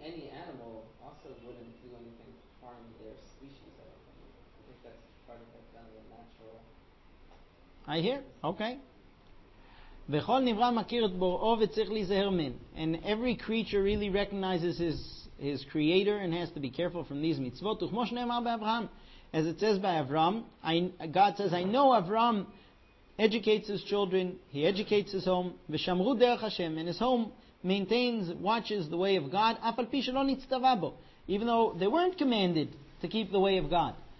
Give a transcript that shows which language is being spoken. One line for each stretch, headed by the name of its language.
English: Any animal also wouldn't do anything to harm their species. I think that's part of that kind of natural. I hear. Okay.
Hebrew: וכול נברא מכיר את בוראו וצריך להיזהר מן.
English: And every creature really recognizes his creator and has to be careful from these mitzvot. וכמו שנאמר באברהם, as it says by Avram, God says, I know Avram educates his children, he educates his home,
Hebrew: ושמרו דרך השם,
English: and his home maintains, watches the way of God,
Hebrew: אף על פי שלא נצטווה בו,
English: even though they weren't commanded to keep the way of God.